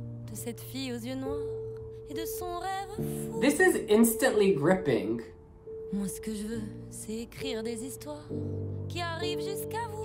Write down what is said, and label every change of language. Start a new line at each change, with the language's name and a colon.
French: De cette fille aux yeux noirs et de son rêve fou.
English: This is instantly gripping.
French: Moi, ce que je veux, c'est écrire des histoires qui arrivent jusqu'à vous.